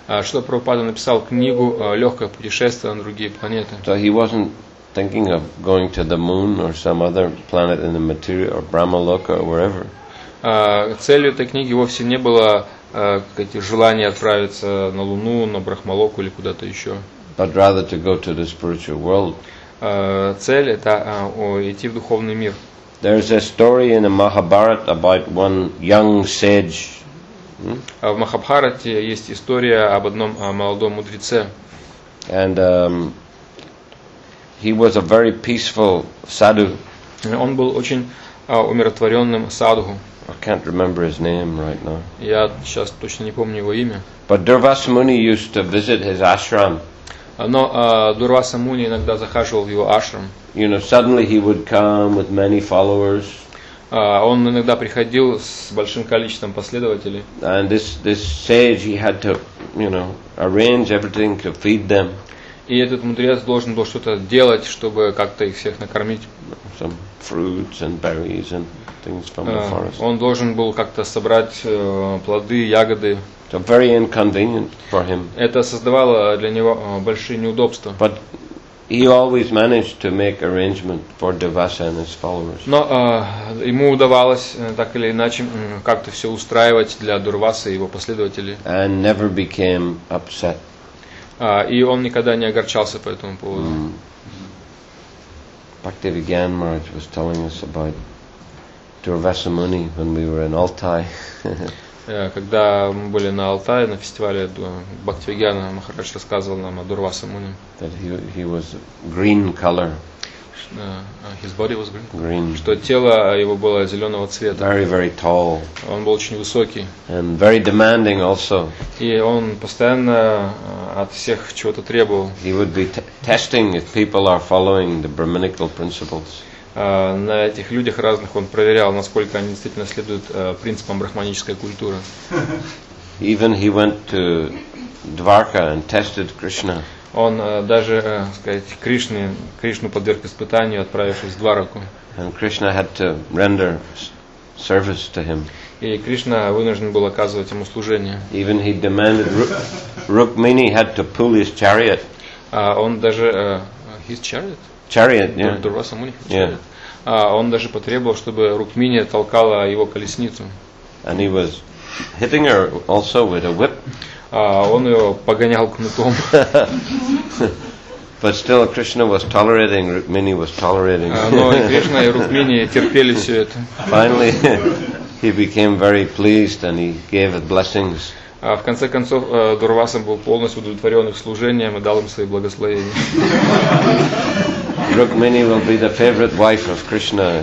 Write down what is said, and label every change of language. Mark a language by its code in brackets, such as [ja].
[ru] Что Прабхупада написал книгу «Легкое путешествие на другие планеты». [en] So he wasn't thinking of going to the moon or some other planet in the material or Brahmaloka or wherever. [ru] Целью этой книги вовсе не было желание отправиться на Луну, на Брахмалоку или куда-то еще. [en] But rather to go to the spiritual world. [ru] Цель это идти в духовный мир. [en] There is a story in the Mahabharata about one young sage. [ru] В Махабхарате есть история об одном молодом мудреце. [en] And he was a very peaceful sadhu. [ru] Он был очень умиротворенным садху. [en] I can't remember his name right now. [ru] Я сейчас точно не помню его имя. [en] But Durvasa Muni used to visit his ashram. [ru] Но Дурваса Муни иногда захаживал в его ашрам. [en] You know, suddenly he would come with many followers. [ru] Он иногда приходил с большим количеством последователей. [en] And this sage, he had to, you know, arrange everything to feed them. [ru] И этот мудрец должен был что-то делать, чтобы как-то их всех накормить. [en] Some fruits and berries and things from the forest. [ru] Он должен был как-то собрать плоды, ягоды. [en] So very inconvenient for him. [ru] Это создавало для него большие неудобства. [en] But he always managed to make arrangement for Durvasa and his followers. [ru] Но ему удавалось так или иначе как-то все устраивать для Дурвасы и его последователей. [en] And never became upset. [ru] И он никогда не огорчался по этому поводу. Mm. [en] Bhaktivedanta Maharaj was telling us about Durvasa Muni when we were in Altai. [ru] Когда мы были на Алтае на фестивале, Бхактивиджана Махарадж рассказывал нам о Дурваса Муни. [en] That he was green color. His body was green. Green. [ru] Что тело его было зеленого цвета. [en] Very, very tall. [ru] Он был очень высокий. [en] And very demanding also. [ru] И он постоянно от всех чего-то требовал. [en] He would be testing if people are following the Brahminical principles. [ru] На этих людях разных он проверял, насколько они действительно следуют принципам брахманической культуры. [en] Even he went to Dwarka and tested Krishna. [ru] Он даже, сказать, Кришну подверг испытанию, отправившись в Двараку. [en] And Krishna had to render service to him. [ru] И Кришна вынужден был оказывать ему служение. [en] Even he demanded Rukmini had to pull his chariot. [ru] Он даже [en] his chariot. Chariot, yeah. [ru] Дурваса Муни. Он даже потребовал, чтобы Рукмини толкала его колесницу. [en] And he was hitting her also with a whip. [ru] Он ее погонял кнутом. [en] But still, Krishna was tolerating. Rukmini was tolerating. [ru] Но и Кришна, и Рукмини терпели все это. [en] Finally, He became very pleased and he gave it blessings. [ru] В конце концов, Дурваса был полностью удовлетворен их служением и дал им свои благословения. [en] Rukmini will be the favorite wife of Krishna.